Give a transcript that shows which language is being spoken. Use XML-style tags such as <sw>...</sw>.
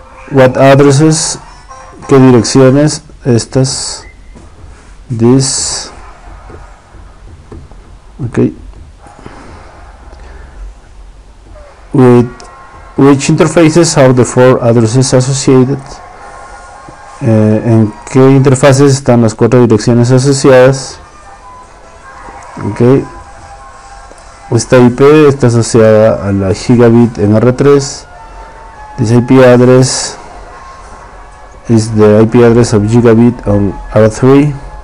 <en>What addresses?</en> <es>¿Qué direcciones? Estas.</es> <en>This. Ok. With which interfaces are the four addresses associated?</en> <es>¿En qué interfaces están las cuatro direcciones asociadas? Okay. Esta IP está asociada a la gigabit en R3.</es> <en>This IP address is the IP address of gigabit on R3.</en>